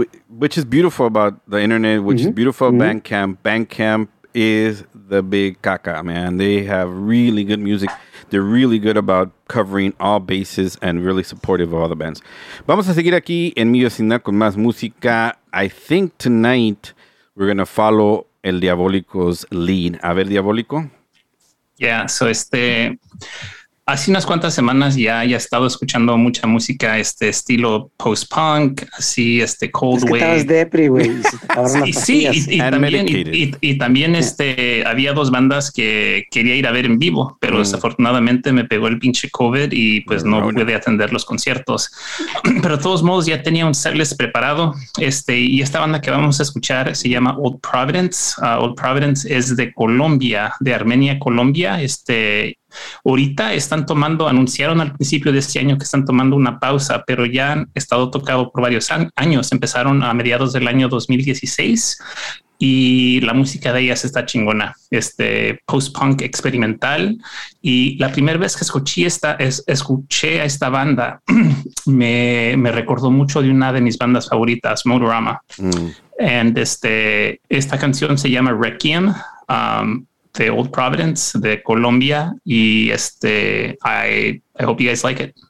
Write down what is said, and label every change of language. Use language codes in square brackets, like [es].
[en] Which is beautiful about the internet, which is beautiful about Bandcamp. Bandcamp is the big caca, man. They have really good music. They're really good about covering all bases and really supportive of all the bands. [es] Vamos a seguir aquí en mi vecindad con más música. [en] I think tonight we're going to follow El Diabólico's lead. [es] A ver, Diabólico. [en] Yeah, so [es] hace unas cuantas semanas ya he estado escuchando mucha música estilo post-punk, así cold [en] wave. [es] Es que estabas depri, güey. Y también había dos bandas que quería ir a ver en vivo, pero desafortunadamente me pegó el pinche COVID y pues no pude atender los conciertos. Pero de todos modos ya tenía un setlist preparado. Y esta banda que vamos a escuchar se llama Old Providence. Old Providence es de Colombia, de Armenia, Colombia. Ahorita anunciaron al principio de este año que están tomando una pausa, pero ya han estado tocando por varios años. Empezaron a mediados del año 2016 y la música de ellas está chingona. Post-punk experimental. Y la primera vez que escuché a esta banda, me recordó mucho de una de mis bandas favoritas, Motorama. And esta canción se llama Requiem. [en] The Old Providence, the Colombia, [es] y [en] I hope you guys like it.